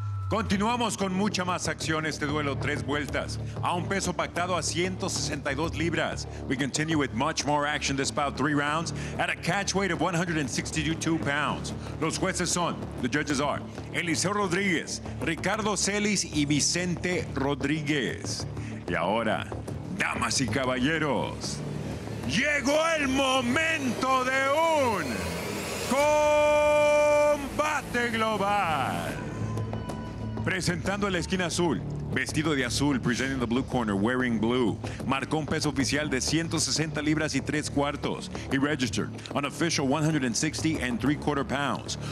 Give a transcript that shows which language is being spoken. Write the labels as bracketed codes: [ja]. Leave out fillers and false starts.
[es] Continuamos con mucha más acción este duelo, tres vueltas, a un peso pactado a 162 libras. [en] We continue with much more action this bout, three rounds, at a catch weight of 162 pounds. [es] Los jueces son, [en] the judges are, [es] Eliseo Rodríguez, Ricardo Celis y Vicente Rodríguez. Y ahora, damas y caballeros, llegó el momento de un combate global. Presentando la esquina azul, vestido de azul, [en] presenting the blue corner, wearing blue. [es] Marcó un peso oficial de 160 libras y tres cuartos. [en] He registered an official 160 and three quarter pounds.